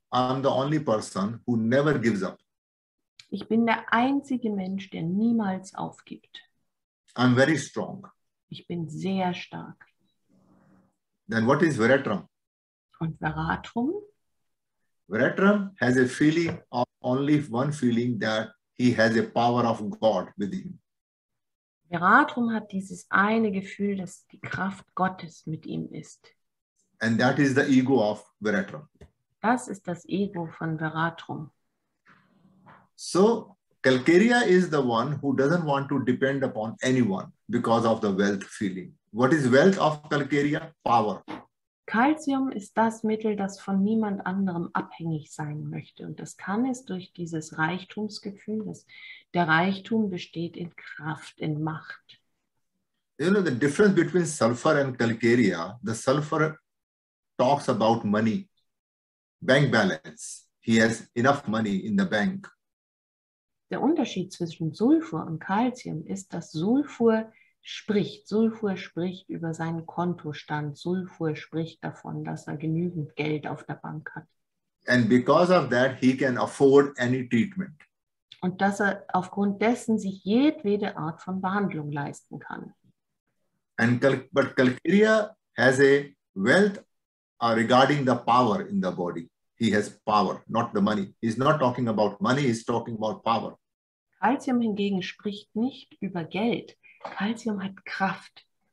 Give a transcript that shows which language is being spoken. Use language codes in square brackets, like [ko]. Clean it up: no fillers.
[en] I'm the only person who never gives up. [de] Ich bin der einzige Mensch, der niemals aufgibt. [en] I'm very strong. [de] Ich bin sehr stark. [en] Then what is Veratrum? [de] Und Veratrum? [en] Veratrum has a feeling of only one feeling that he has a power of God with him. [de] Veratrum hat dieses eine Gefühl, dass die Kraft Gottes mit ihm ist. [en] And that is the ego of Veratrum. [de] Das ist das Ego von Veratrum. [en] So, calcarea is the one who doesn't want to depend upon anyone because of the wealth feeling. What is wealth of calcarea? Power. [de] Calcium ist das Mittel, das von niemand anderem abhängig sein möchte. Und das kann es durch dieses Reichtumsgefühl, dass der Reichtum besteht in Kraft, in Macht. [en] You know, the difference between sulfur and calcarea, the sulfur talks about money, bank balance. He has enough money in the bank. [de] Der Unterschied zwischen Sulfur und Calcium ist, dass Sulfur spricht über seinen Kontostand. Sulfur spricht davon, dass er genügend Geld auf der Bank hat. [en] And because of that, he can afford any treatment. [de] Und dass er aufgrund dessen sich jedwede Art von Behandlung leisten kann. [en] But calcarea has a wealth regarding the power in the body. He has power, not the money. He's not talking about money, he's talking about power. [de] Calcium hingegen spricht nicht über Geld. Calcium hat Kraft.